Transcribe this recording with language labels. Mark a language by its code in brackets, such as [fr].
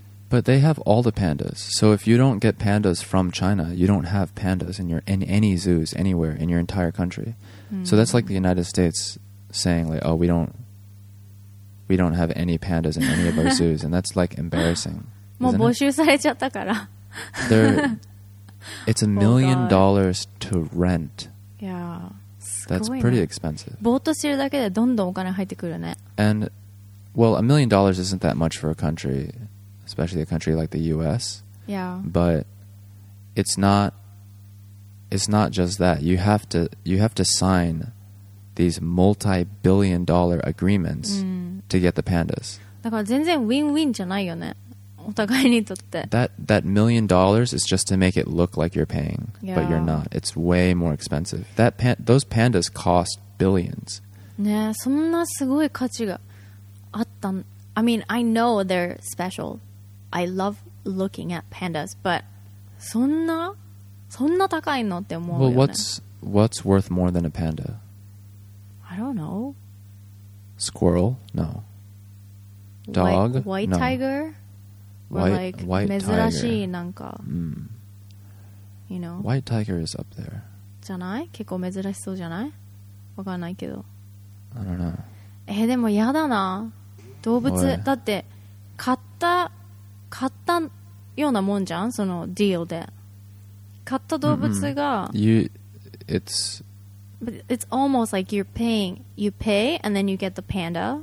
[en] But they have all the pandas. So if you don't get pandas from China, you don't have pandas in any zoos anywhere in your entire country. So that's like the United States saying like, oh, we don't have any pandas in any of our zoos, and that's like embarrassing. [ja] もう募集されちゃったから。 [en] It's $1 million to rent. Yeah, that's pretty expensive. [ja] ぼーっとしてるだけでどんどんお金入ってくるね。 [en] And well, $1 million isn't that much for a country, especially a country like the U.S. Yeah. But it's not just that. You have to sign these multi-billion-dollar agreements. To get the pandas. [ja] だから全然ウィンウィンじゃないよね。お互いにとって。 [en] That $1 million is just to make it look like you're paying, but you're not. It's way more expensive. Those pandas cost billions. [ja] ね、そんなすごい価値があったん。 [en] I mean, I know they're special. I love looking at pandas, but [ja] そんな高いのって思うよね。 [en] Well, what's worth more than a panda? I don't know. Squirrel? No. Dog? White no. tiger? White, white tiger. [ja] なんか、 mm. [en] you know. White tiger is up there. [ja] じゃない? 結構珍しそうじゃない? わかんないけど。 [en] I don't know. [ja] でもやだな。動物、Why? だって買ったようなもんじゃん? そのディールで。買った動物が。 [en] Mm-hmm. You, it's... But it's almost like you're paying, you pay, and then you get the panda.